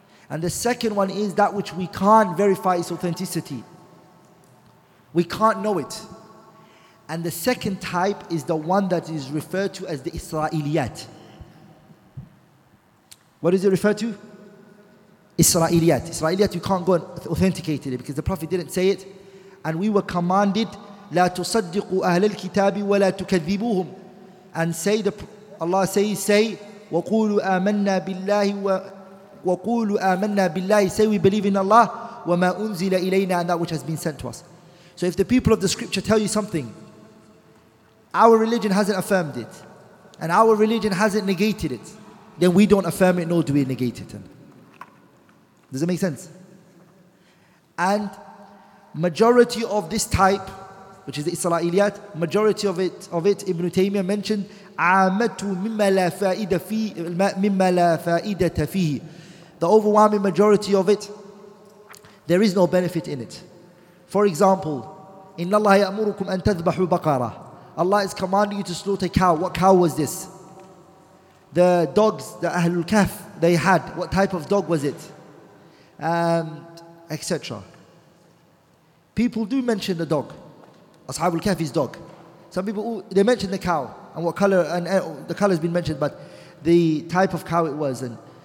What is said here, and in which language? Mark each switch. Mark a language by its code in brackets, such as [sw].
[en] And the second one is that which we can't verify its authenticity. We can't know it. And the second type is the one that is referred to as the Isra'iliyat. What is it referred to? Isra'iliyat. Isra'iliyat, you can't go and authenticate it because the Prophet didn't say it. And we were commanded, [ar] لَا تُصَدِّقُوا أَهْلَ الْكِتَابِ وَلَا تُكَذِّبُوهُمْ. [en] And say, Allah says, say, [ar] وَقُولُوا آمَنَّا بِاللَّهِ. [en] Say, we believe in Allah, [ar] وَمَا أُنزِلَ إِلَيْنَا, [en] and that which has been sent to us. So if the people of the scripture tell you something, our religion hasn't affirmed it, and our religion hasn't negated it, then we don't affirm it, nor do we negate it. Does that make sense? And majority of this type, which is the Isra'iliyat, majority of it, Ibn Taymiyyah mentioned, [ar] عَامَتُ مِمَّا لَا فَائِدَةَ فِيهِ. [en] The overwhelming majority of it, there is no benefit in it. For example, [ar] إِنَّ اللَّهَ يَأْمُرُكُمْ أَن تَذْبَحُوا بَقَارًا. [en] Allah is commanding you to slaughter a cow. What cow was this? The dogs, the Ahlul Kahf, they had. What type of dog was it? Etc. People do mention the dog. Ashabul Kahfi's dog. Some people, they mention the cow. And what color, and the color has been mentioned, but the type of cow it was. And